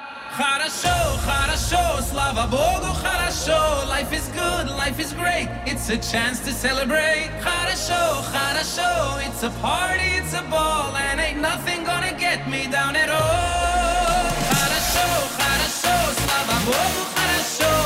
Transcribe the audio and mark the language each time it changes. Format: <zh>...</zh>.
<ru>Хорошо, хорошо, слава богу, хорошо.</ru> <en>Life is good, life is great. It's a chance to celebrate.</en> <ru>Хорошо, хорошо,</ru> <en>it's a party, it's a ball, and ain't nothing gonna get me down at all.</en> <ru>Хорошо, хорошо, слава богу, хорошо.</ru>